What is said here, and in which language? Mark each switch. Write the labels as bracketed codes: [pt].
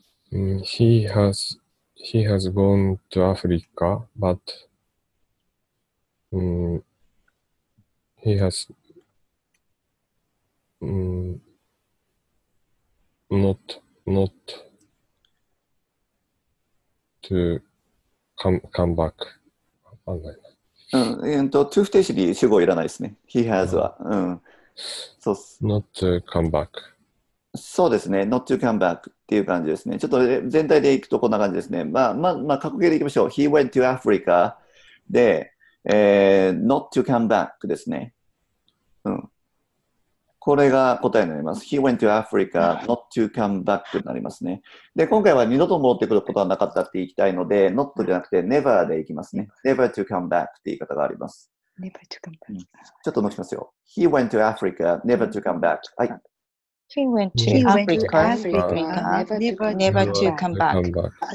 [en] He has gone to Africa, but he has not to. Come back. [ja] To 不定詞に主語いらないですね。 [en] He has [ja] は。そうっす。 [en] Not to come back. [ja] そうですね。 [en] Not to come back [ja] っていう感じですね。ちょっと全体でいくとこんな感じですね。まあ、過去形でいきましょう。 [en] He went to Africa で、Not to come back ですね。 [ja] これが答えになります。 [en] He went to Africa, not to come back となりますね。 [ja] で、今回は二度と戻ってくることはなかったって言いたいので、not じゃなくて never でいきますね。 [en] Never to come back [ja] って言い方があります。 [en] Never to come back、 [ja] ちょっと伸びますよ。 [en] He went to Africa, never to come back. はい。 He went to Africa, never to come back.